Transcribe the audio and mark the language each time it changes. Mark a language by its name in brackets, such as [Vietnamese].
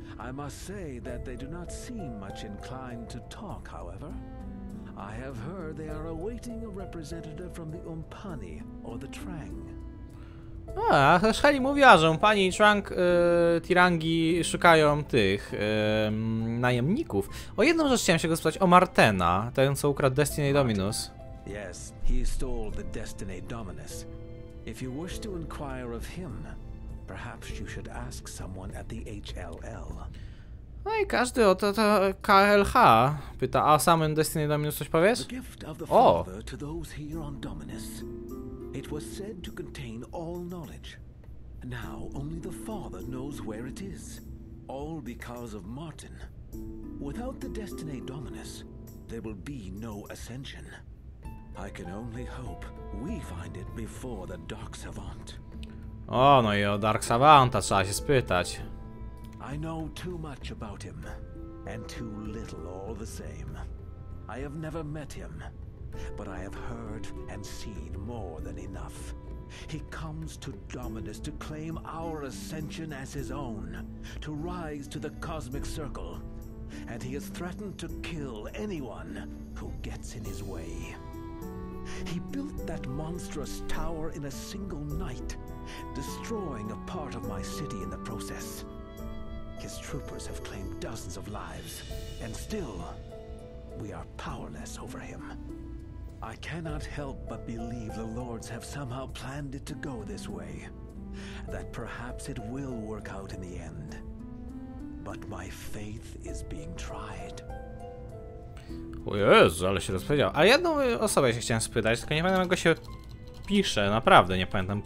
[English] I must say that they do not seem much inclined to talk, however. I have heard they are awaiting a representative from the Umpani or the Trang. [Polish] A, Heli mówiła, że Umpani i Trang, Tirangi szukają tych najemników. O jedną rzecz chciałem się go spytać, o Martena, ten co ukradł Destiny Dominus. [English] Yes, he stole the Destiny Dominus. If you wish to inquire of him, perhaps you should ask someone at the HLL. [Polish] No i każdy o to KLH pyta, a samym Destiny Dominus coś powiesz? [English] The gift of the Father to those here on Dominus. It was said to contain all knowledge. Now only the Father knows where it is. All because of Martin. Without the Destiny Dominus, there will be no ascension. I can only hope we find it before the Dark Savant. [Polish] O, no i o Dark Savanta trzeba się spytać. [English] I know too much about him and too little all the same. I have never met him, but I have heard and seen more than enough. He comes to Dominus to claim our ascension as his own, to rise to the cosmic circle, and he has threatened to kill anyone who gets in his way. He built that monstrous tower in a single night, destroying a part of my city in the process. His troopers have claimed dozens of lives, and still, we are powerless over him. I cannot help but believe the Lords have somehow planned it to go this way, that perhaps it will work out in the end. But my faith is being tried. [Polish] O Jezu, ale się rozpowiedział. A jedną osobę się chciałem spytać, tylko nie pamiętam jak go się pisze, naprawdę nie pamiętam.